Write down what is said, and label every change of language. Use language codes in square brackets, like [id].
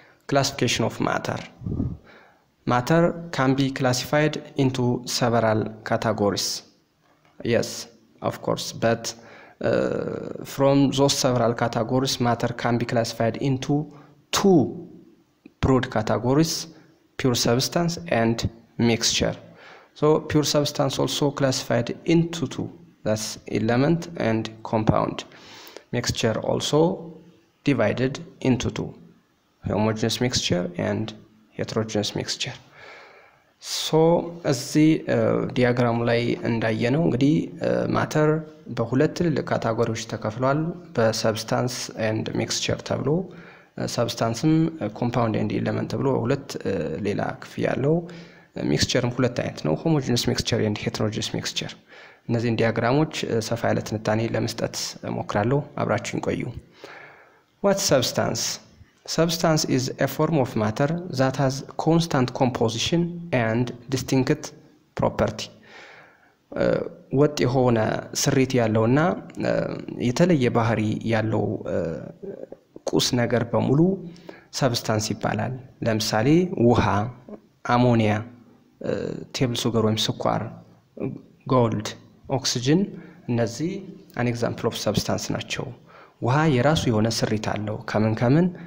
[en] ክላሲፊኬሽን ኦፍ ማተር። ማተር ካን ቢ ክላሲፋይድ ኢንቱ ሰቨራል ካታጎሪስ። የስ ኦፍ ኮርስ በት from those several categories matter can be classified into two broad categories, pure substance and mixture. So pure substance also classified into two, that's element and compound. Mixture also divided into two, homogeneous mixture and heterogeneous mixture. [am] So እዚህ ዲያግራም ላይ እንዳየነው እንግዲህ ማተር በሁለት ለካታጎሪዎች ተከፍሏል፣ በሰብስታንስ ኤንድ ሚክስቸር ተብሎ፣ ሰብስታንስም ኮምፓውንድ ኤንድ ኤሌመንት ተብሎ ሁለት ሌላ ክፍል ያለው፣ ሚክስቸርም ሁለት አይነት ነው፣ ሆሞጂነስ ሚክስቸር ኤንድ ሄትሮጂነስ ሚክስቸር። እነዚህን ዲያግራሞች ሰፋ ያለ ትንታኔ ለመስጠት ሞክራለሁ። አብራችሁን ቆዩ። [en] ዋት ሰብስታንስ? Substance is a form of matter that has constant composition and distinct property. [am] ወጥ የሆነ ስሪት ያለውና የተለየ ባህሪ ያለው ቁስ ነገር በሙሉ ሰብስታንስ ይባላል። ለምሳሌ ውሃ፣ አሞኒያ፣ ቴብል ሱገር ወይም ስኳር፣ ጎልድ፣ ኦክሲጅን፣ እነዚህ [en] አን ኤግዛምፕል ኦፍ ሰብስታንስ [am] ናቸው። ውሃ የራሱ የሆነ ስሪት አለው። ከምን ከምን?